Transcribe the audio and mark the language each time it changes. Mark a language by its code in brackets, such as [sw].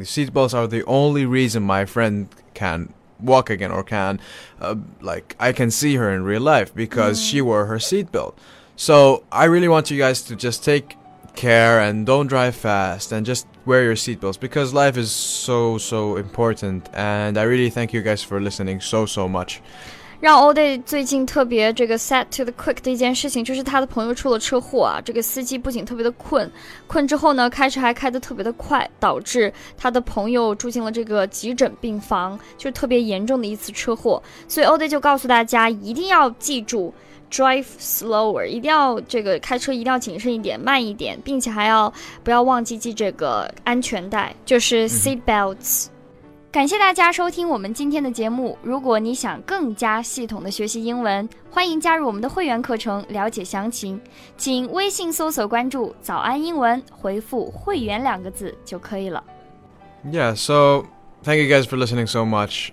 [en] Seatbelts are the only reason my friend can walk again or can, like, I can see her in real life because she wore her seatbelt. So I really want you guys to just take care and don't drive fast and just... Wear your seatbelts because life is so, so important. And I really thank you guys for listening so, so much. [zh] 让 Oday 最近特别这个 sad to the quick 的一件事情就是他的朋友出了车祸啊。这个司机不仅特别的困之后呢开车还开得特别的快，导致他的朋友住进了这个急诊病房，就是特别严重的一次车祸。所以 Oday 就告诉大家一定要记住 [en] Drive slower, [zh] 一定要这个开车一定要谨慎一点，慢一点，并且还要不要忘记系这个安全带，就是 seat belts。感谢大家收听我们今天的节目。如果你想更加系统的学习英文，欢迎加入我们的会员课程，了解详情，请微信搜索关注“早安英文”，回复“会员”两个字就可以了。 [en] Yeah, so thank you guys for listening so much.